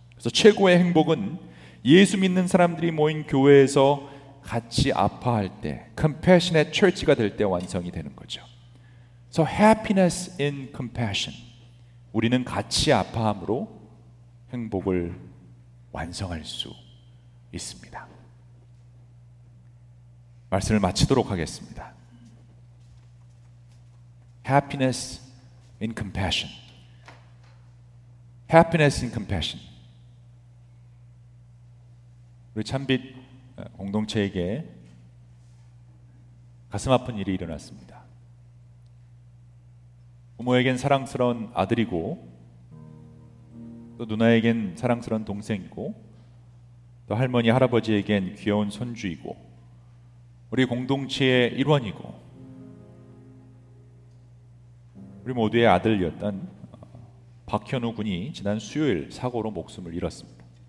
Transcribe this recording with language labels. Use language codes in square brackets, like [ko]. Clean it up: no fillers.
[ko] 그래서 최고의 행복은 예수 믿는 사람들이 모인 교회에서 같이 아파할 때, compassionate church가 될 때 완성이 되는 거죠. [en] So happiness in compassion, [ko] 우리는 같이 아파함으로 행복을 완성할 수 있습니다. 말씀을 마치도록 하겠습니다. [en] Happiness in compassion. Happiness in compassion. [ko] 우리 찬빛 공동체에게 가슴 아픈 일이 일어났습니다. 부모에겐 사랑스러운 아들이고 또 누나에겐 사랑스러운 동생이고 또 할머니, 할아버지에겐 귀여운 손주이고 우리 공동체의 일원이고 우리 모두의 아들이었던 박현우 군이 지난 수요일 사고로 목숨을 잃었습니다.